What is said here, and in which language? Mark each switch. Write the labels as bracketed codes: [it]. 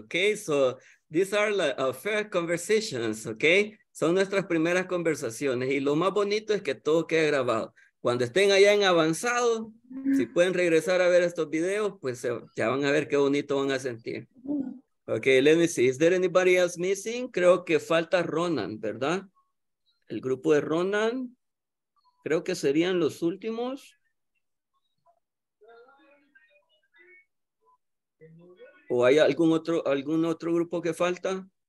[en] Okay, so these are like fair conversations, okay? [es] Son nuestras primeras conversaciones y lo más bonito es que todo queda grabado. Cuando estén allá en avanzado, si pueden regresar a ver estos videos, pues ya van a ver qué bonito van a sentir. [en] Ok, let me see. Is there anybody else missing? [es] Creo que falta Ronan, ¿verdad? El grupo de Ronan. Creo que serían los últimos. ¿O hay algún otro grupo que falta?